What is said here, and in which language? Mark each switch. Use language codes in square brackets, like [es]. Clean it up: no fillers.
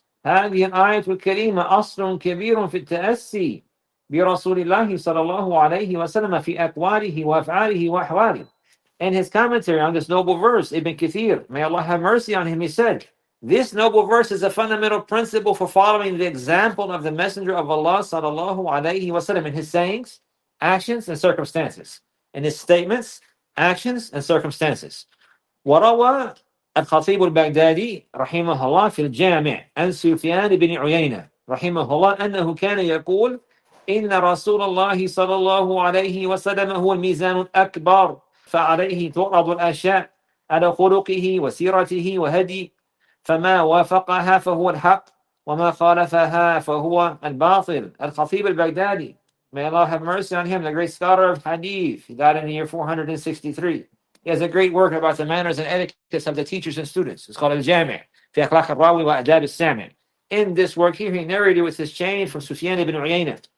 [ar] هذه الآية الكريمة أصل كبير في التأسي برسول الله صلى الله عليه وسلم في أقواله وأفعاله وأحواله. [en] In his commentary on this noble verse, Ibn Kathir, may Allah have mercy on him, he said, this noble verse is a fundamental principle for following the example of the Messenger of Allah [ar] صلى الله عليه وسلم [en] in his sayings, actions, and circumstances. In his statements, actions, and circumstances. [ar] وروى الخطيب البغدادي رحمه الله في الجامع عن سفيان بن عيينة رحمه الله أنه كان يقول إن رسول الله صلى الله عليه وسلم هو الميزان الأكبر فعليه تعرض الأشياء على خلقه وسيرته وهدي فما وافقها فهو الحق وما خالفها فهو الباطل. [en] الخطيب البغدادي, may Allah have mercy on him, the great scholar of hadith, he died in the year 463. He has a great work about the manners and etiquettes of the teachers and students. It's called Al-Jami' fi Akhlaq al-Rawi wa Adab al-Sami'. In this work here, he narrated with his chain from Sufyan ibn Uyayna.